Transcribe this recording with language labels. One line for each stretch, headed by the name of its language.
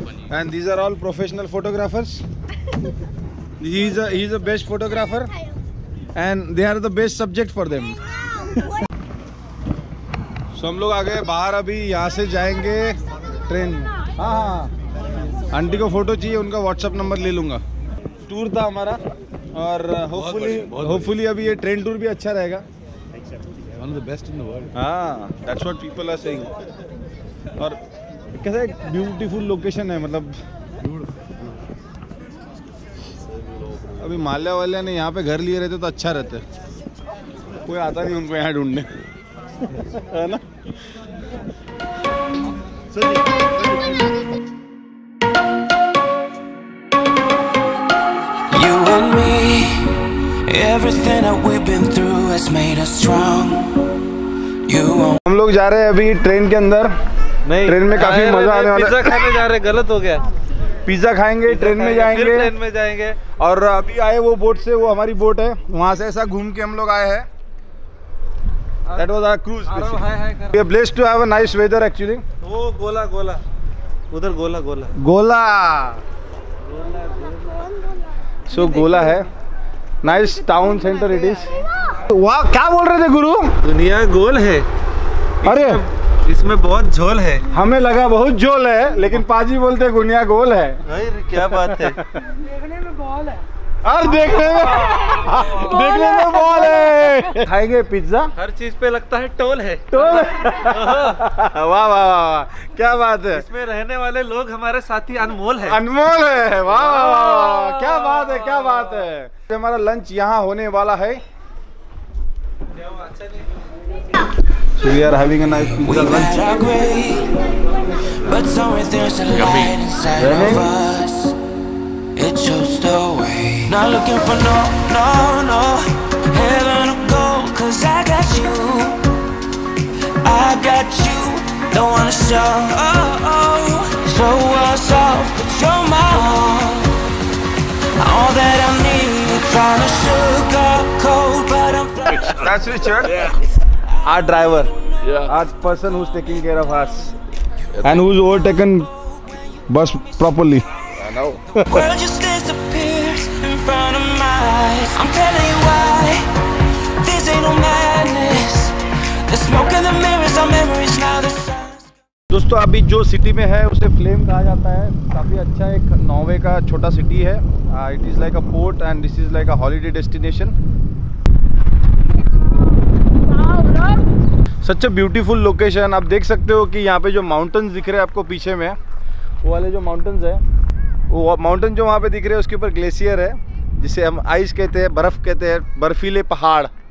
English: And these are all professional photographers. He's a best photographer. And they are the best subject for them.
Hindi: So हम लोग आ गए बाहर, अभी यहाँ से जाएंगे ट्रेन। हाँ हाँ, आंटी को फोटो चाहिए, उनका व्हाट्सएप नंबर ले लूँगा। टूर था हमारा और होपफुली अभी ये ट्रेन टूर भी अच्छा रहेगा।
English: One of the best in the world. हाँ, that's what people are saying.
Hindi: और कैसा एक ब्यूटीफुल लोकेशन है, मतलब अभी माल्या वाले ने यहाँ पे घर लिए रहते तो अच्छा रहते, कोई आता नहीं उनको यहाँ ढूंढने, है ना।
English: You and me, everything that we've been through has made us strong. You won't...
Hindi: हम लोग जा रहे हैं अभी ट्रेन के अंदर, नहीं ट्रेन में काफी मजा आने वाला है। पिज्जा खाने जा रहे, गलत हो गया, पिज्जा खाएंगे, ट्रेन में जाएंगे, फिर ट्रेन में जाएंगे। और अभी आए वो बोट से, वो हमारी बोट है, वहां से ऐसा घूम के हम लोग आए हैं।
English: That was our cruise.
Hindi: हाँ, हाँ,
English: we are blessed to have a nice weather actually.
Hindi: वो गोला गोला, उधर गोला गोला। गोला। So गोला है।
English: Nice town center it is.
Hindi: वाह, क्या बोल रहे थे गुरु? दुनिया गोल है। अरे इसमें बहुत झोल है। हमें लगा बहुत झोल है, लेकिन पाजी बोलते दुनिया गोल है। अरे क्या बात है। देखने में बॉल है। अरे देखने में देखने में बॉल है। खाएंगे पिज्जा, हर चीज पे लगता है टोल है। टोल, वाह वाह वाह, क्या बात है। इसमें रहने वाले लोग हमारे साथी अनमोल है। अनमोल है, वाह वाह वाह, क्या बात है, क्या बात है। हमारा लंच यहाँ होने वाला है।
English: So we are having a nice pizza lunch. But somewhere there's a light inside of us. It shows the way. Not looking for no, no, no. Heaven or gold, cause I got you. I got you. Don't wanna show. Oh, oh. Show us off, but you're my all. All that I need. Trying to sugarcoat, but I'm flying. That's Richard. Yeah. Our driver. Yeah. Our person who's taking care of us. Yeah, and who's overtaken bus properly. I know. World just disappears in front of my eyes. I'm telling you why. This ain't no madness. The smoke and the mirrors are memories now the sun.
Hindi: दोस्तों अभी जो city में है उसे flame कहा जाता है। काफी अच्छा एक नॉर्वे का छोटा सिटी है।
English: It is like a port and this is like a holiday destination. Such a beautiful location.
Hindi: आप देख सकते हो कि यहाँ पे जो माउंटेन्स दिख रहे हैं आपको पीछे में, वो वाले जो माउंटेन्स हैं, वो माउंटेन जो वहाँ पे दिख रहे हैं उसके ऊपर ग्लेशियर है, जिसे हम आइस कहते हैं, बर्फ कहते हैं, बर्फीले पहाड़।